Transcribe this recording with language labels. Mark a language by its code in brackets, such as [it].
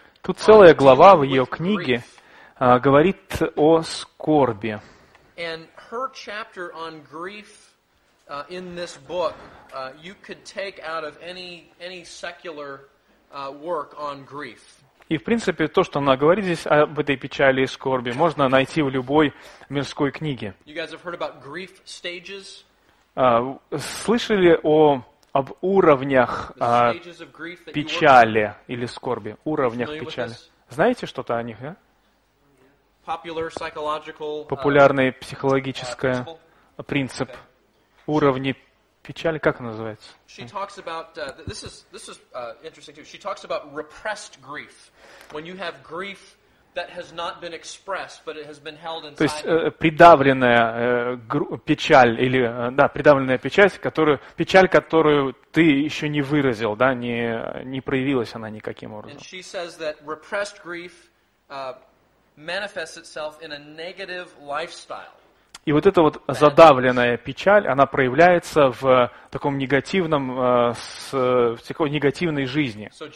[ru] Тут целая глава в ее книге говорит о скорби. [en] And her chapter on grief in this book you could take out of any secular work on grief. [ru] И, в принципе, то, что она говорит здесь об этой печали и скорби, можно найти в любой мирской книге. Слышали об уровнях печали или скорби? Уровнях печали. Знаете что-то о них, да? Популярный психологический принцип. Уровни печали, как называется? [en] She talks about this is interesting too. She talks about repressed grief. When you have grief that has not been expressed, but it has been held inside. [ru] То есть придавленная печаль или да, придавленная печаль, которую ты еще не выразил, да, не проявилась она никаким образом. [en] And she says that repressed grief manifests itself in a negative lifestyle. [ru] И вот эта вот задавленная печаль, она проявляется в таком негативном, в такой негативной жизни.